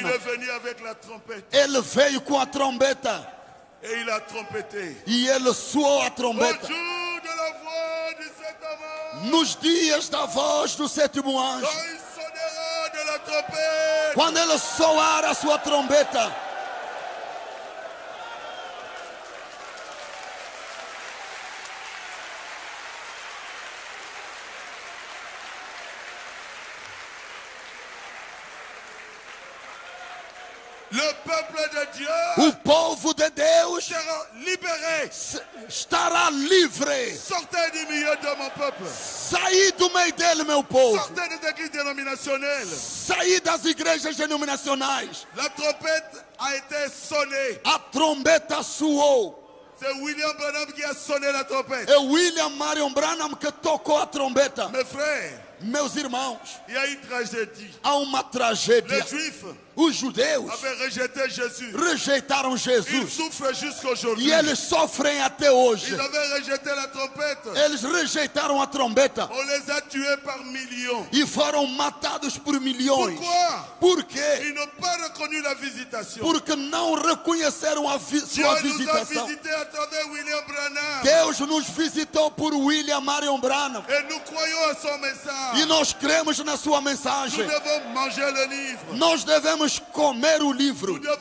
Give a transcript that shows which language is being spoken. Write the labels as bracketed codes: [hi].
[fr] Il est venu avec la trompette. [pt] Ele veio com a trombeta. [fr] Et il a trompeté. [pt] E ele soou a trombeta. [fr] Au jour de la voix du septième ange. [pt] Nos dias da voz do sétimo anjo. [fr] Quand il sonnera de la trompette. [pt] Quando ele soar a sua trombeta. [en] Look! [fr] peuple de Dieu, [pt] o povo de Deus [fr] sera libéré, [pt] estará livre. [fr] Sortez du milieu de mon peuple. [pt] Saí do meio dele, meu povo. [fr] Sortez des églises dénominationnelles. [pt] Saí das igrejas denominacionais. [fr] La trompette a été sonnée. [pt] A trombeta soou. [fr] C'est William Branham qui a sonné la trompette. [pt] É William Marion Branham que tocou a trombeta. [fr] Mes frères, [pt] meus irmãos, e aí tragédie. Há uma tragédia. [fr] Les Juifs, [pt] os judeus, [fr] avaient rejeté Jésus. [pt] Rejeitaram Jesus. [fr] Ils souffrent jusqu'aujourd'hui. [pt] E eles sofrem até hoje. [fr] Ils avaient rejeté la trompette. [pt] Eles rejeitaram a trombeta. [fr] On les a tués par millions. [pt] E foram matados por milhões. [fr] Pourquoi? Ils n'ont pas reconnu la visitation. [pt] Porque não reconheceram a sua visitação. [fr] Dieu nous a visité à travers William Branham. [pt] Deus nos visitou por William Marion Branham. [fr] Et nous croyons à son message. [pt] E nós cremos na sua mensagem. Nós devemos comer o livro.